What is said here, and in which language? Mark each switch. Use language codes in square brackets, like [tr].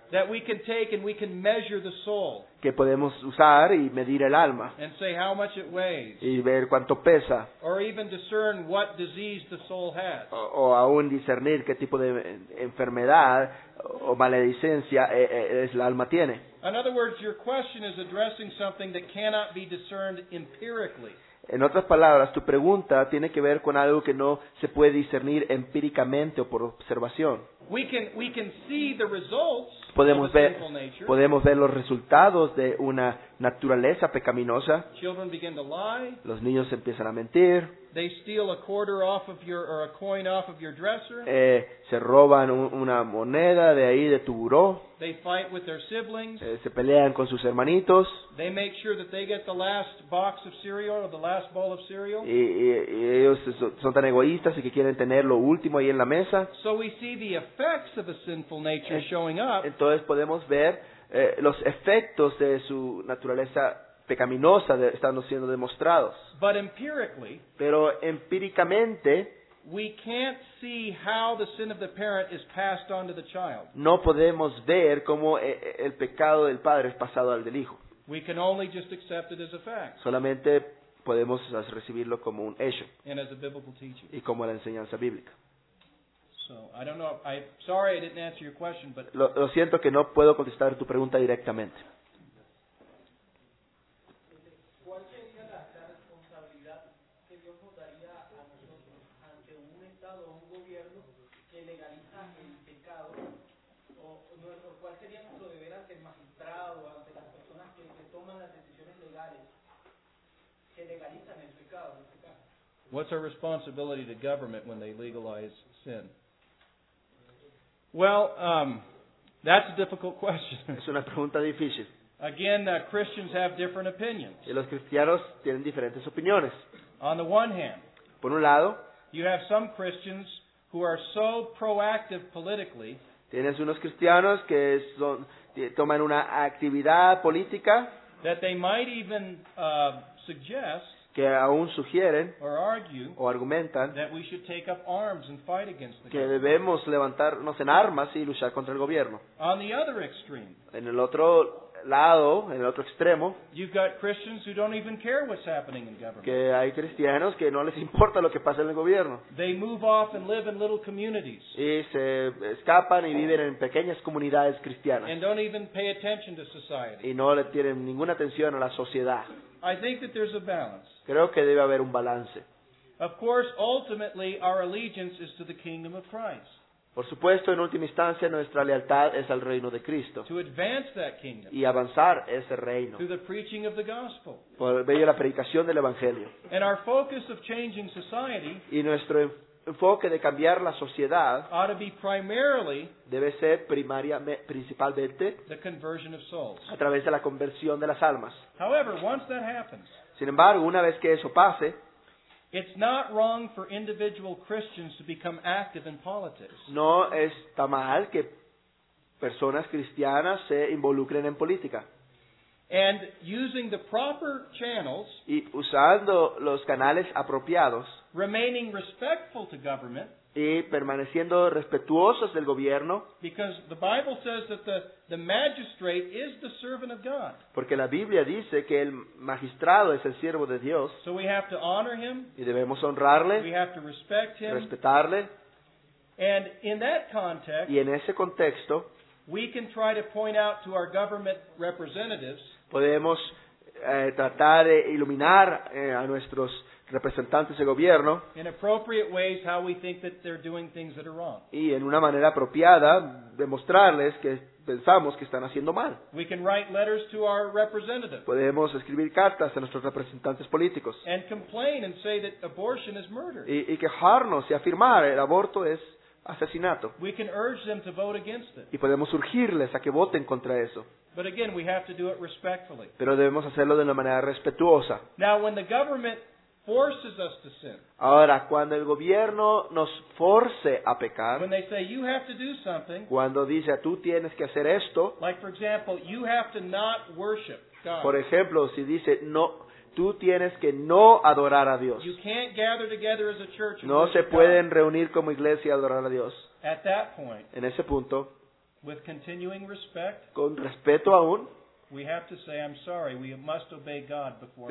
[en] that we can take and we can measure the soul, [es] que podemos usar y medir el alma, [en] and say how much it weighs, [es] y ver cuánto pesa, [en] or even discern what disease the soul has, [es] o aún discernir qué tipo de enfermedad o maledicencia es la alma tiene. [en] In other words, your question is addressing something that cannot be discerned empirically. [es] En otras palabras, tu pregunta tiene que ver con algo que no se puede discernir empíricamente o por observación. [en] We can see the results [es] podemos ver los resultados de una naturaleza pecaminosa. [en] Children begin to lie. [es] Los niños empiezan a mentir. [en] They steal a quarter off of your, or a coin off of your dresser. [es] Se roban una moneda de ahí, de tu buró. [en] They fight with their siblings. [es] Se pelean con sus hermanitos. [en] They make sure that they get the last box of cereal or the last bowl of cereal. [es] Y ellos son tan egoístas y que quieren tener lo último ahí en la mesa. [en] So we see the effects of a sinful nature showing up. [es] Entonces podemos ver los efectos de su naturaleza pecaminosa estando siendo demostrados. [en] But empirically, [es] pero empíricamente, [en] we can't see how the sin of the parent is passed on to the child. [es] No podemos ver cómo el pecado del padre es pasado al del hijo. [en] We can only just accept it as a fact. [es] Solamente podemos recibirlo como un hecho. [en] And as a biblical teaching. [es] Y como la enseñanza bíblica. [en] So, I don't know. I'm sorry I didn't answer your question, but [es] lo siento que no puedo contestar tu pregunta directamente. [en] What's our responsibility to government when they legalize sin? Well, that's a difficult question. [es] Es una pregunta difícil. [en] Again, Christians have different opinions. [es] Y los cristianos tienen diferentes opiniones. [en] On the one hand, [es] por un lado, [en] you have some Christians who are so proactive politically. [es] Tienes unos cristianos que toman una actividad política. [en] That they might even suggest. [es] Que aún sugieren [en] or argue, [es] o argumentan [en] that we should take up arms and fight against the [es] que debemos levantarnos en armas y luchar contra el gobierno. [en] On the other extreme, [es] en el otro lado, en el otro extremo, [en] you've got Christians who don't even care what's happening in government. [es] Que hay cristianos que no les importa lo que pasa en el gobierno. [en] They move off and live in little communities. [es] Y se escapan y viven en pequeñas comunidades cristianas. [en] And don't even pay attention to society. [es] Y no le tienen ninguna atención a la sociedad. [en] I think that there's a balance. [es] Creo que debe haber un balance. [en] Of course, ultimately, our allegiance is to the kingdom of Christ. [es] Por supuesto, en última instancia, nuestra lealtad es al reino de Cristo. [en] To advance that kingdom. [es] Y avanzar ese reino. [en] Through the preaching of the gospel. [es] Por medio de la predicación del evangelio. [en] And our focus of changing society. [es] Y nuestro enfoque de cambiar la sociedad. [en] Ought to be primarily. [es] Debe ser principalmente. [en] The conversion of souls. [es] A través de la conversión de las almas. [en] However, once that happens. [es] Sin embargo, una vez que eso pase. [en] It's not wrong for individual Christians to become active in politics. [es] No está mal que personas cristianas se involucren en política. [en] And using the proper channels, [es] y usando los canales apropiados, [en] remaining respectful to government, [es] y permaneciendo respetuosos del gobierno, [en] because the Bible says that the magistrate is the servant of God. [es] Porque la Biblia dice que el magistrado es el siervo de Dios. [en] So we have to honor him. [es] Y debemos honrarle. [en] We have to respect him. [es] Respetarle. [en] And in that context, [es] y en ese contexto, [en] we can try to point out to our government representatives, [es] podemos tratar de iluminar a nuestros representantes de gobierno [en] in appropriate ways, how we think that they're doing things that are wrong. [es] Y en una manera apropiada demostrarles que pensamos que están haciendo mal. [en] We can write letters to our representatives. [es] Podemos escribir cartas a nuestros representantes políticos [en] and complain and say that abortion is murder. [es] Y quejarnos y afirmar el aborto es asesinato. [en] We can urge them to vote against it. [es] Y podemos urgirles a que voten contra eso. [en] But again, we have to do it respectfully. [es] Pero debemos hacerlo de una manera respetuosa. [en] Now, when the government forces us to sin. [es] Ahora, cuando el gobierno nos force a pecar. [en] When they say you have to do something. [es] Cuando dice tú tienes que hacer esto. [en] Like for example, you have to not worship God. [es] Por ejemplo, si dice no, tú tienes que no adorar a Dios. [en] You can't gather together as a church. [es] No se pueden reunir como iglesia a adorar a Dios. [en] At that point. [es] En ese punto. [en] With continuing respect. [es] Con respeto aún. [en] We have to say, I'm sorry, we must obey God before